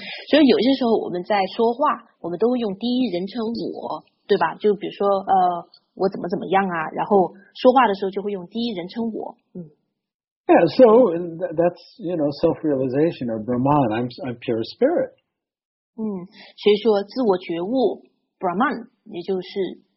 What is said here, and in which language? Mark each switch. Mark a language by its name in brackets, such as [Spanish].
[Chinese] 所以有些时候我们在说话，我们都会用第一人称我，对吧？就比如说我怎么怎么样啊，然后说话的时候就会用第一人称我。 [English] Yeah. So that's self-realization or Brahman. I'm pure spirit. [Chinese] 所以说自我觉悟 Brahman 也就是。